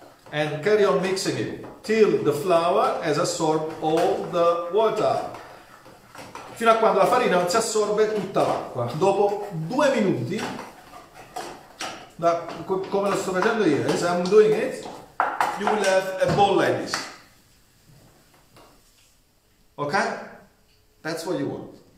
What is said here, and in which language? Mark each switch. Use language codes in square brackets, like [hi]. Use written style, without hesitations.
[en] And carry on mixing it till the flour has absorbed all the water. [it] Fino a quando la farina non si assorbe tutta l'acqua. Dopo 2 minuti, come lo sto facendo io, [en] as I'm doing it, you will have a bowl like this. Okay? That's what you want.